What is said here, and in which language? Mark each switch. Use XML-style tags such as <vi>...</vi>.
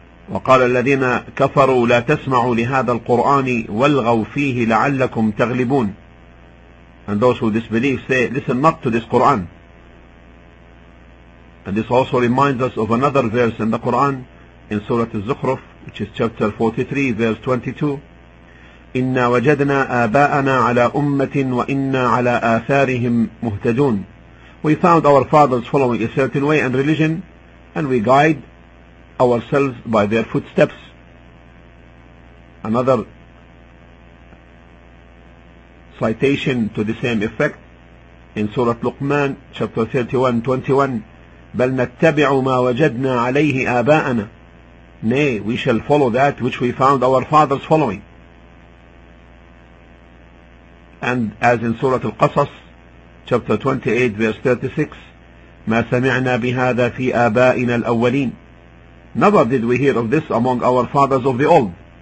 <ar>وقال الذين كفروا لا تسمعوا لهذا القرآن والغوا فيه لعلكم تغلبون.</ar> <en>And those who disbelieve say, listen not to this Quran. And this also reminds us of another verse in the Quran in Surah Al-Zukhruf, which is chapter 43 verse 22.</en> <ar>إنا وجدنا آباءنا على أمة وإنا على آثارهم مهتدون.</ar> <en>We found our fathers following a certain way and religion, and we guide ourselves by their footsteps. Another citation to the same effect in Surah Luqman, chapter 31:21.</en> <ar>بل نتبع ما وجدنا عليه آباءنا.</ar> <en>Nay, we shall follow that which we found our fathers following. And as in Surah Al-Qasas, chapter 28, verse 36,</en> <ar>ما سمعنا بهذا في آبائنا الأولين.</ar> <en>Never did we hear of this among our fathers of the old.</en>